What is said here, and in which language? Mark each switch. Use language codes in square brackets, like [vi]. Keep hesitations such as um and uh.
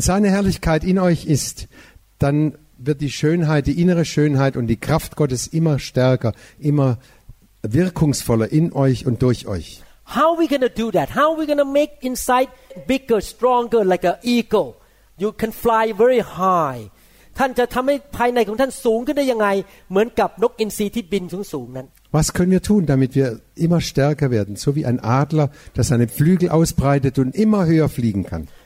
[de] seine Herrlichkeit in euch ist, dann wird die Schönheit, die innere Schönheit und die Kraft Gottes immer stärker, immer wirkungsvoller in euch und durch euch. [en] How are we gonna do that? How are we gonna make inside bigger, stronger, like an eagle? You can fly very high. [th] ท่านจะทำให้ภายในของท่านสูงขึ้นได้ยังไงเหมือนกับนกอินทรีที่บินสูงๆนั้น [de] was können wir tun, damit wir immer stärker werden, so wie ein Adler, der seine Flügel ausbreitet und immer höher fliegen kann?